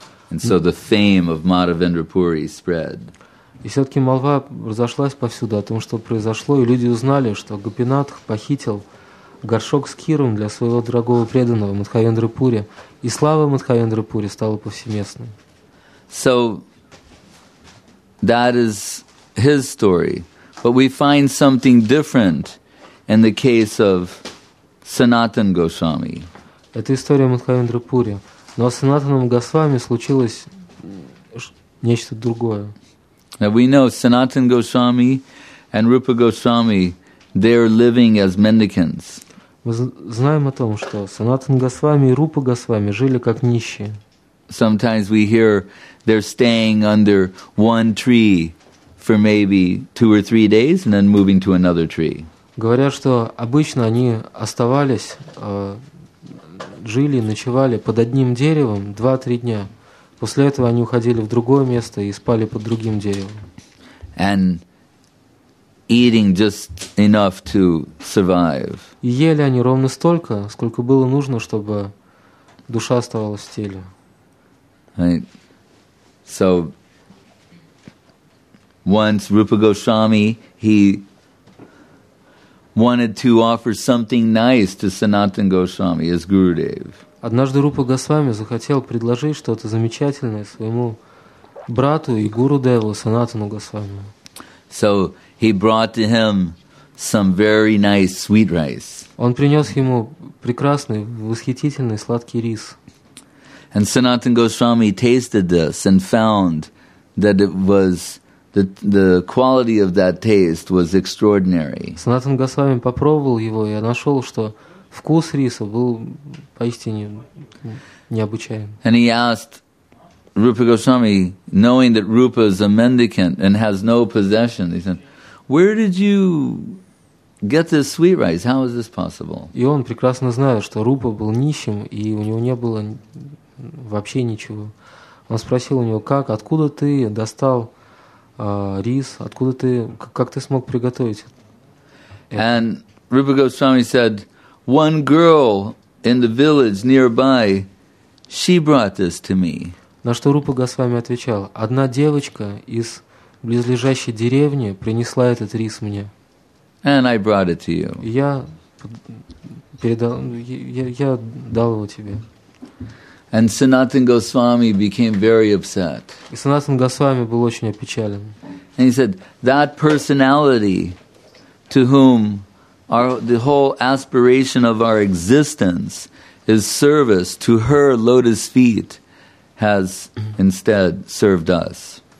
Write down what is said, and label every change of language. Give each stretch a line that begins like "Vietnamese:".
English: And so the fame of Madhavendra Puri spread.
Russian: И все-таки молва разошлась повсюду о том, что произошло, и люди узнали, что Гопинатх похитил горшок с киром для своего дорогого преданного Мадхавендры Пури, и слава Мадхавендры Пури стала повсеместной.
English: So that is his story, but we find something different in the case of Sanatan Goswami.
Russian: Это история Мадхавендры Пури, но с Санатаном Госвами случилось нечто другое.
English: Now we know Sanatan Goswami and Rupa Goswami, they are living as mendicants.
Russian: Мы знаем о том, что Санатан Госвами и Рупа Госвами жили как нищие.
English: Sometimes we hear they're staying under one tree for maybe 2 or 3 days and then moving to another tree.
Russian: Говорят, что обычно они оставались, жили, ночевали под одним деревом 2-3 дня. После этого они уходили в другое место и спали под другим деревом.
English: And eating just enough to survive.
Russian: И ели они ровно столько, сколько было нужно, чтобы душа оставалась в теле.
English: Right. So once Rupa Goswami, he wanted to offer something nice to Sanatan Goswami, his Gurudev.
Russian: Однажды Рупа Госвами захотел предложить что-то замечательное своему брату и Гурудеву Санатану Госвами.
English: So he brought to him some very nice sweet rice.
Russian: Он принес ему прекрасный, восхитительный сладкий рис.
English: And Sanatan Goswami tasted this and found that it was the quality of that taste was extraordinary.
Russian: Sanatan Goswami попробовал его и нашел, что вкус риса был поистине необычайным.
English: And he asked Rupa Goswami, knowing that Rupa is a mendicant and has no possession, he said, "Where did you get this sweet rice? How is this possible?"
Russian: И он прекрасно знает, что Рупа был нищим и у него не было вообще ничего. Он спросил у него, как, откуда ты достал рис, откуда ты, как ты смог приготовить это?
English: And Rupa Goswami said, "One girl in the village nearby, she brought this to me."
Russian: На что Рупа Госвами отвечал: "Одна девочка из близлежащей деревни принесла этот рис мне."
English: And I brought it to you.
Russian: Я дал его тебе.
English: And Sanatan Goswami became very upset.
Russian: И Санатан Госвами был очень опечален.
English: And he said, "That personality to whom the whole aspiration of our existence is service to her lotus feet has instead served us."